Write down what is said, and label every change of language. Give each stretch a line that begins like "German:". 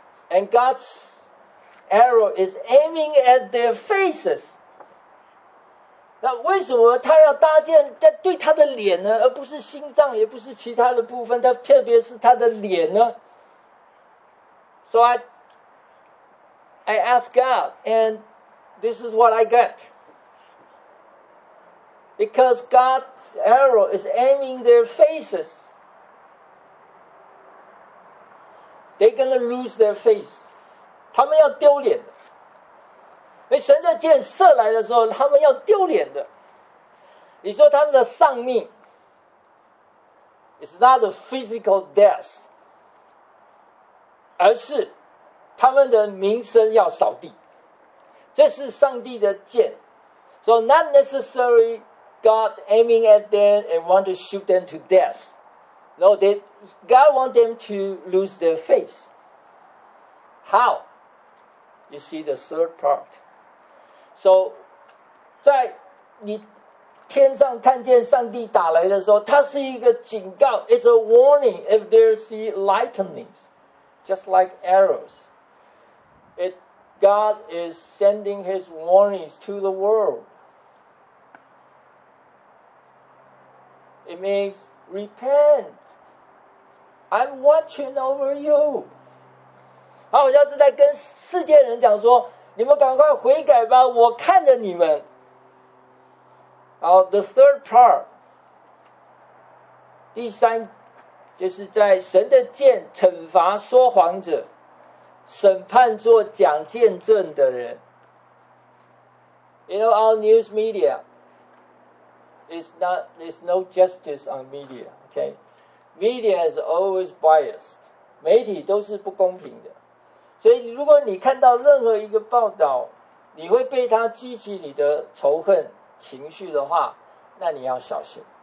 English: And God's arrow is aiming at their faces.
Chinese: 那为什么他要搭箭在对他的脸呢？而不是心脏，也不是其他的部分，他特别是他的脸呢？
English: So I ask God andThis is what I get. Because God's arrow is aiming their faces. They're going to lose their face.
Chinese: 他们要丢脸的。因为神的箭射来的时候，他们要丢脸的。你说他们的丧命
English: is not a physical death.
Chinese: 而是他们的名声要扫地。这是上帝的箭
English: So not necessary God's aiming at them and want to shoot them to death. No, God want them to lose their face. How? You see the third part. So
Chinese: 在你天上看见上帝打来的时候，它是一个警告
English: It's a warning if they see lightnings, just like arrows. God is sending his warnings to the world. It means, repent. I'm watching over you.
Chinese: 好像是在跟世界人讲说，你们赶快悔改吧，我看着你们。
English: 好， the third part.
Chinese: 第三，就是在神的箭惩罚说谎者。审判做讲见证的人。
English: You know, our news media is no justice on media, okay? Media is always biased.
Chinese: 媒体都是不公平的。所以如果你看到任何一个报道，你会被它激起你的仇恨情绪的话，那你要小心。